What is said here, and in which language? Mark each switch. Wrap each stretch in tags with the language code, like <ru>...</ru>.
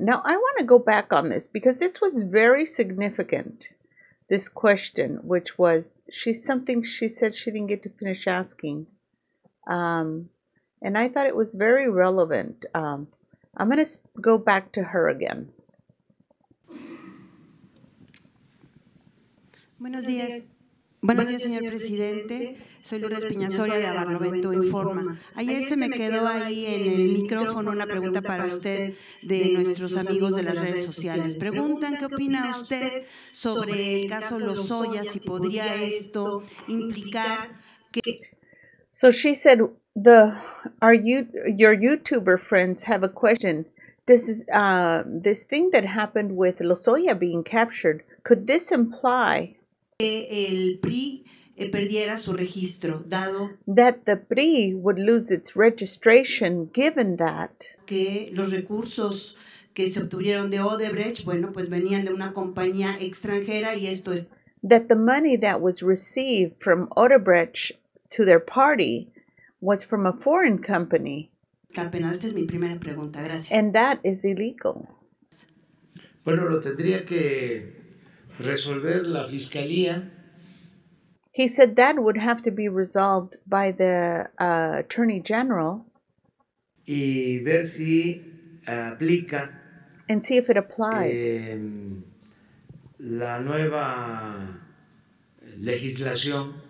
<en>Now, I want to go back on this because this was very significant, this question, which was she said she didn't get to finish asking. And I thought it was very relevant. I'm going to go back to her again.</en> <es>Buenos días. Buenos días, señor presidente. Soy Lourdes Piñasoria de Abarlovento Informa. Ayer se me quedó ahí en el micrófono una pregunta para usted de nuestros amigos de las redes sociales. Preguntan qué opina usted sobre el caso Lozoya, si podría esto implicar que.</es> <en>So she said, your YouTuber friends have a question. Does this thing that happened with Lozoya being captured, could this imply</en> <es>el PRI perdiera su registro, dado</es> <en>that the PRI would lose its registration given that</en> <es>que los recursos que se obtuvieron de Odebrecht, bueno, pues venían de una compañía extranjera y esto es</es> <en>that the money that was received from Odebrecht to their party was from a foreign company.</en> <es>Campeonato, esta es mi primera pregunta, gracias.</es> <en>And that is illegal.</en> <es>Bueno, lo tendría que resolver la Fiscalía.</es> <en>He said that would have to be resolved by the Attorney General.</en> <es>Y ver si aplica.</es> <en>And see if it applies.</en> <es>La nueva legislación.</es>